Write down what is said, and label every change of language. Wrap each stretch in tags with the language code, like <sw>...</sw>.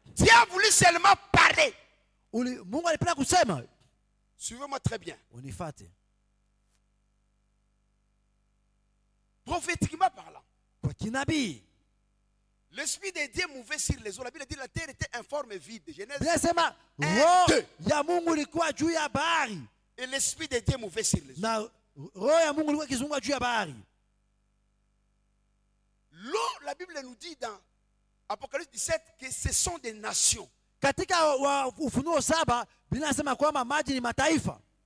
<fr>Tu as voulu seulement parler.</fr> <sw>Mungu alipenda kusema.</sw> <fr>Suivez-moi très bien.</fr> <sw>Unifate.</sw> <fr>Prophétiquement parlant.</fr> <sw>Kwa kinabii.</sw> <fr>L'esprit de Dieu mouvait sur les eaux. La Bible dit la terre était informe et vide. Genèse. Bien sema.</fr> <sw>Roho ya Mungu ilikuwa juu ya bahari.</sw> <fr>Et l'esprit de Dieu mouvait sur les eaux.</fr> <sw>Na roho ya Mungu ilikuwa kizunguka juu ya bahari.</sw> <fr>L'eau, la Bible nous dit dans Apocalypse 17 que ce sont des nations.</fr> <sw>Katika Ufunuo 7 Biblia inasema kwamba maji ni mataifa.</sw>